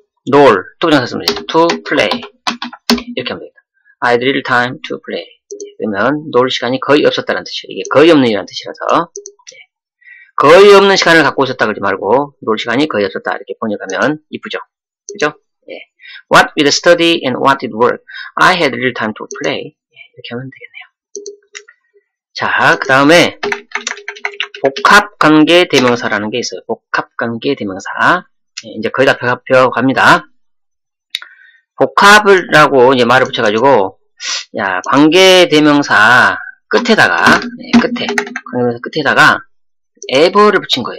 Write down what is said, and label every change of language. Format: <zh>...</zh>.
<ko>놀, 투부정사 쓰면 되죠.</ko> <en>To play,</en> <ko>이렇게 하면 됩니다.</ko> <en>I had little time to play.</en> <ko>그러면 놀 시간이 거의 없었다는 뜻이에요. 이게 거의 없는 이라는 뜻이라서, 네, 거의 없는 시간을 갖고 있었다 그러지 말고 놀 시간이 거의 없었다 이렇게 번역하면 이쁘죠. 그죠? 네.</ko> <en>What with study and what with work, I had little time to play.</en> <ko>네, 이렇게 하면 되겠네요. 자, 그 다음에 복합관계 대명사라는 게 있어요. 복합관계 대명사, 이제 거의 다 펴갑니다. 복합을 라고 이제 말을 붙여가지고, 야, 관계 대명사 끝에다가, 네, 끝에, 관계 대명사 끝에다가 ever를 붙인 거예요.</ko>